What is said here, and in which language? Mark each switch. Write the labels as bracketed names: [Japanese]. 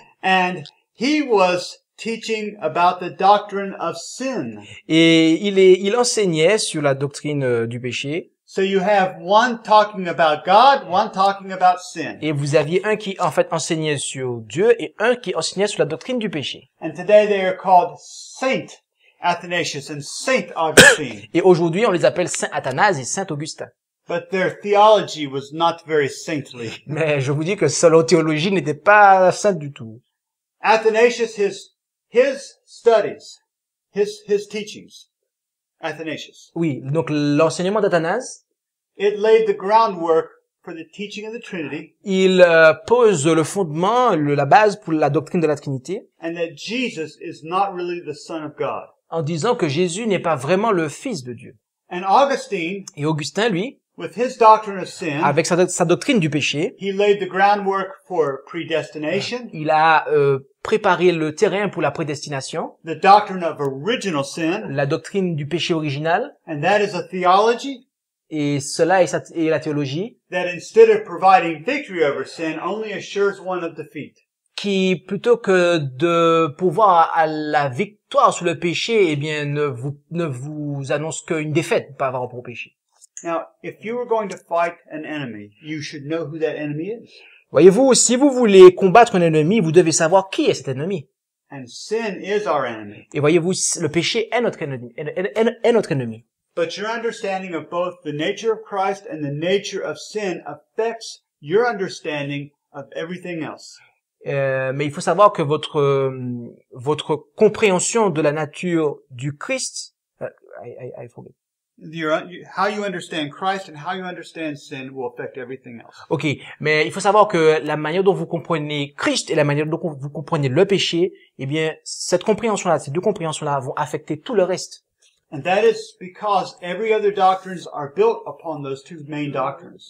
[English] And he was teaching about the doctrine of sin. [French] Et il enseignait sur la doctrine du péché. [English] So you have one talking about God, one talking about sin. [French] Et vous aviez un qui en fait enseignait sur Dieu et un qui enseignait sur la doctrine du péché. [English] And today they are called Saint Athanasius and Saint Augustine. [French] Et aujourd'hui on les appelle Saint Athanase et Saint Augustin. [English] But their theology was not very saintly. [French] Mais je vous dis que leur théologie n'était pas sainte du tout. [English] Athanasius, his studies, his teachings. Athanasius. [French] Oui, donc l'enseignement d'Athanase. [English] It laid the groundwork for the teaching of the Trinity. [French] Il pose le fondement, la base pour la doctrine de la Trinité. [English] And that Jesus is not really the Son of God. [French] En disant que Jésus n'est pas vraiment le Fils de Dieu. [English] And Augustine. [French] Et Augustin, lui. [English] With his doctrine of sin. [French] Avec sa doctrine du péché. [English] He laid the groundwork for predestination. [French] Il a préparer le terrain pour la prédestination, [English] the doctrine of original sin, [French] la doctrine du péché original, [English] and that is a theology, [French] et cela est la théologie, [English] that instead of providing victory over sin, only assures one of defeat. [French] Qui, plutôt que de pouvoir à la victoire sur le péché, eh bien, ne vous annonce qu'une défaite par rapport au péché. [English] Now, if you were going to fight an enemy, you should know who that enemy is. [French] Voyez-vous, si vous voulez combattre un ennemi, vous devez savoir qui est cet ennemi. [English] And sin is our enemy. [French] Et voyez-vous, le péché est notre ennemi. [English] But your understanding of both the nature of Christ and the nature of sin affects your understanding of everything else. [French] Mais il faut savoir que votre compréhension de la nature du Christ, [English] I forget. How you understand Christ and how you understand sin will affect everything else. [French] Okay, mais il faut savoir que la manière dont vous comprenez Christ et la manière dont vous comprenez le péché, eh bien, cette compréhension-là, ces deux compréhensions-là vont affecter tout le reste. [English] And that is because every other doctrines are built upon those two main doctrines.